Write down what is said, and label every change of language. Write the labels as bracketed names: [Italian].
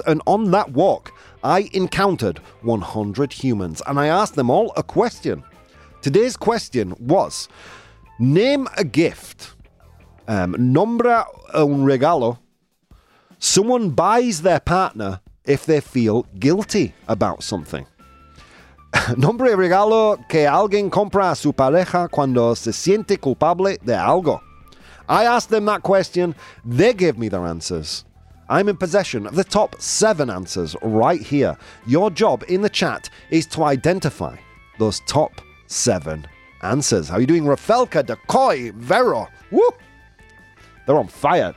[English] And on that walk, I encountered 100 humans and I asked them all a question. Today's question was, name a gift, [Spanish] nombra un regalo, [English] someone buys their partner if they feel guilty about something. [Spanish] Nombre regalo que alguien compra a su pareja cuando se siente culpable de algo. [English] I asked them that question. They gave me their answers. I'm in possession of the top 7 answers right here. Your job in the chat is to identify those top 7 answers. How are you doing, Rafelka, Decoy, Vero? Woo! They're on fire.